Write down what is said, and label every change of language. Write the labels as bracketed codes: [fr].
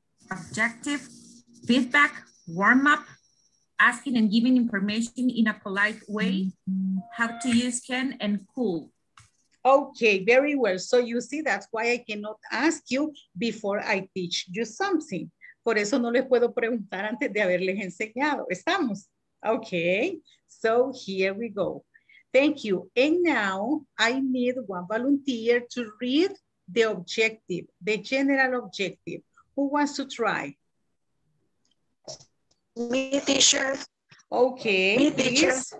[en] Objective, feedback, warm up, asking and giving information in a polite way, how to use can and cool. Okay, very well. So you see, that's why I cannot ask you before I teach you something. [es] Por eso no les puedo preguntar antes de haberles enseñado. [en] ¿Estamos? Okay, so here we go. Thank you. And now I need one volunteer to read the objective, the general objective. Who wants to try? Me, teacher. Okay, me, teacher.